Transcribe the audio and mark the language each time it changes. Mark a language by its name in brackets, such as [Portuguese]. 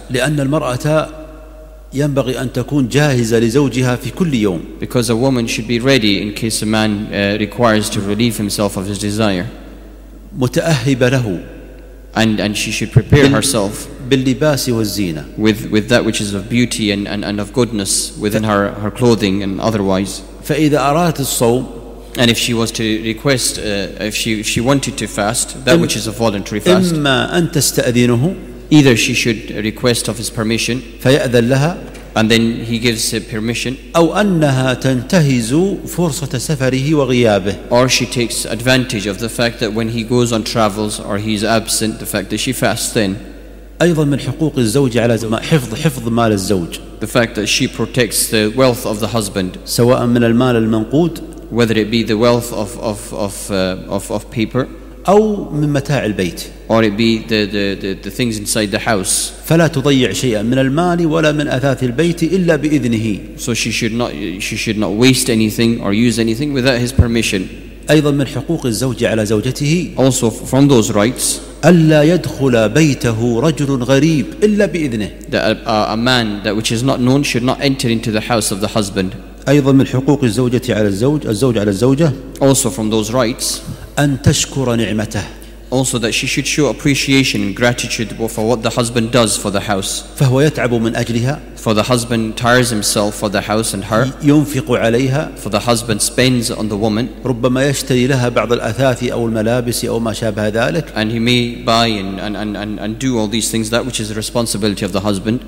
[Arabic] لأن المرأة ينبغي أن تكون جاهزة لزوجها في كل يوم. [English] Because a woman should be ready in case a man requires to relieve himself of his desire. [Arabic] متأهبة له. [English] And she should prepare herself. [Arabic] باللباس والزينة. [English] With that which is of beauty and of goodness within her clothing and otherwise. [Arabic] فإذا أرادت الصوم. [English] And if she was to request, if she wanted to fast, that which is a voluntary fast. [Arabic] إما أن تستأذنه. [English] Either she should request of his permission. [Arabic] فيأذن لها. [English] And then he gives her permission. [Arabic] أو أنها تنتهز فرصة سفره وغيابه. [English] Or she takes advantage of the fact that when he goes on travels or he's absent, the fact that she fasts then. [Arabic] أيضا من حقوق الزوج على حفظ مال الزوج. [English] The fact that she protects the wealth of the husband. [Arabic] سواء من المال المنقود. [English] Whether it be the wealth of paper. [Arabic] أو من متاع البيت. [English] Or it be the things inside the house. [Arabic] فلا تضيع شيئا من المال ولا من أثاث البيت إلا بإذنه. [English] So she should not waste anything or use anything without his permission. [Arabic] أيضا من حقوق الزوج على زوجته. [English] Also from those rights. [Arabic] ألا يدخل بيته رجل غريب إلا بإذنه. [English] That a man that which is not known should not enter into the house of the husband. [Arabic] أيضا من حقوق الزوجة على الزوج الزوج على الزوجة. [English] Also from those rights. [Arabic] أن تشكر نعمته. [English] Also that she should show appreciation and gratitude for what the husband does for the house. [Arabic] فهو يتعب من أجلها. [English] For the husband tires himself for the house and her. [Arabic] ينفق عليها. [English] For the husband spends on the woman. [Arabic] ربما يشتري لها بعض الأثاث أو الملابس أو ما شابه ذلك. [English] And he may buy and do all these things, that which is the responsibility of the husband.